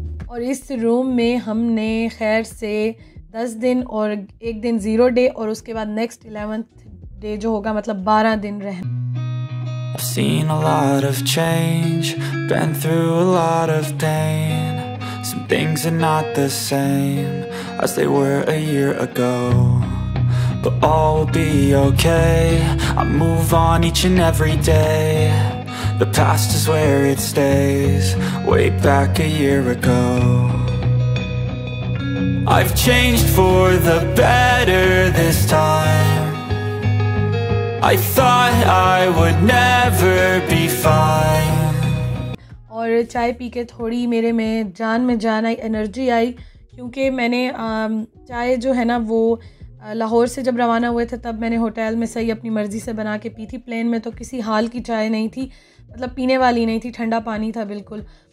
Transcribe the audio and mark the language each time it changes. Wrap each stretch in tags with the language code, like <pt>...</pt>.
<hi>और इस रूम में हमने खैर से 10 दिन और एक दिन 0 डे, और उसके बाद नेक्स्ट 11th डे जो होगा मतलब 12 दिन रहे।</hi> <en>I've seen a lot of change, been through a lot of pain. Some things are not the same as they were a year ago. But all will be okay, I move on each and every day. The past is where it stays, way back a year ago. I've changed for the better this time. I thought I would never be fine.</en> <hi>और चाय P के थोड़ी मेरे में जान में जान आई, energy आई, क्योंकि मैंने चाय जो है ना वो लाहौर से जब रवाना हुए थे तब मैंने होटल में सही अपनी मर्जी से बना के पी थी। प्लेन में तो किसी हाल की चाय नहीं थी, मतलब पीने वाली नहीं थी, ठंडा पानी था बिल्कुल।</hi>